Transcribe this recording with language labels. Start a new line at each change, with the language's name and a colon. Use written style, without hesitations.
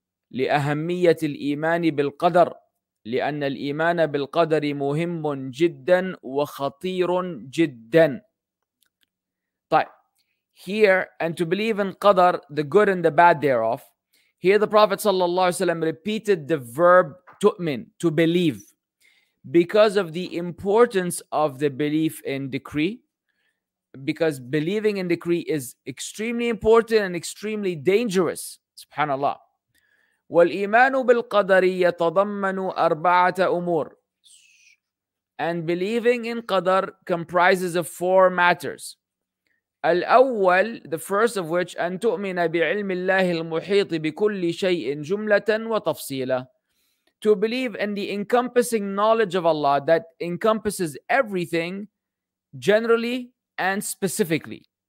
Arabic: لأهمية الإيمان بالقدر لأن الإيمان بالقدر مهم جدا وخطير جدا.
English: طيب, here, and to believe in qadar, the good and the bad thereof. Here the Prophet sallallahu alaihi wasallam repeated the verb tu'min, to believe, because of the importance of the belief in decree, because believing in decree is extremely important and extremely dangerous. Subhanallah.
Arabic: والإيمان بالقدر يتضمن أربعة أمور.
English: And believing in qadar comprises of four matters.
Arabic: الأول,
English: the first of which,
Arabic: أن تؤمن بعلم الله المحيط بكل شيء جملة وتفصيلا.
English: To believe in the encompassing knowledge of Allah that encompasses everything generally and specifically.